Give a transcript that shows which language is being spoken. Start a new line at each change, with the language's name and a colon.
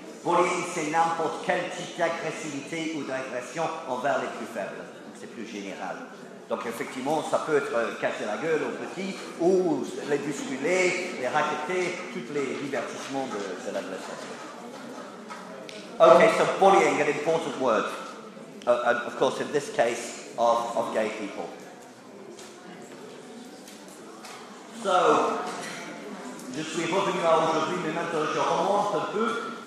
French: Bullying, c'est n'importe quel type d'agressivité ou d'agression envers les plus faibles. Donc, c'est plus général. Donc, effectivement, ça peut être casser la gueule aux petits ou les bousculer, les racketter, tous les divertissements de l'adolescence.
English: Okay, so bullying, an important word. And of course, in this case, of gay people.
French: So, je suis revenu à aujourd'hui, mais maintenant je remonte un peu.